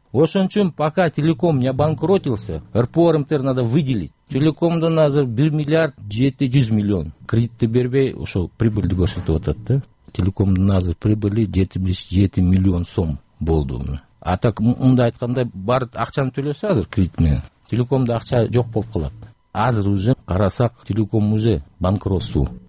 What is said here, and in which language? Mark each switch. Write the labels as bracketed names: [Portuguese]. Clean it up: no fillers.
[Kyrgyz] Ошон үчүн [Russian] пока телеком не банкротился, РПО РМТР надо выделить. [Kyrgyz] Телекомдон азыр 1 миллиард 700 миллион кредитти бербей, ошо прибылды көрсөтүп атат да. Телекомдун азыр прибыли 77 миллион сом болду. А так мындай айтканда бар акчаны төлөсө азыр кредит менен. Телекомдо акча жок болуп калат. Азыр уже карасак телеком уже банкротство.